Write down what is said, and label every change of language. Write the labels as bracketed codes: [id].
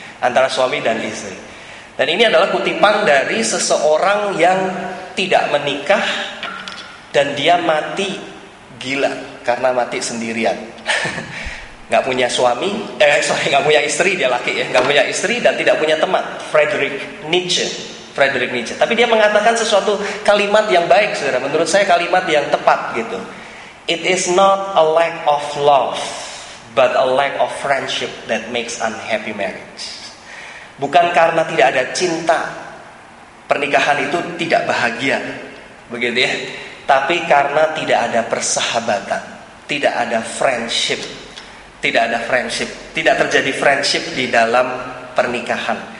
[id] Antara suami dan istri. Dan ini adalah kutipan dari seseorang yang tidak menikah dan dia mati gila karena mati sendirian. Gak punya suami, gak punya istri, dia laki ya. Gak punya istri dan tidak punya teman. Friedrich Nietzsche. Friedrich Nietzsche. Tapi dia mengatakan sesuatu kalimat yang baik, saudara. Menurut saya kalimat yang tepat gitu. [en] It is not a lack of love, but a lack of friendship that makes unhappy marriage. [id] Bukan karena tidak ada cinta pernikahan itu tidak bahagia, begitu ya. Tapi karena tidak ada persahabatan, tidak ada friendship, tidak ada friendship, tidak terjadi friendship di dalam pernikahan.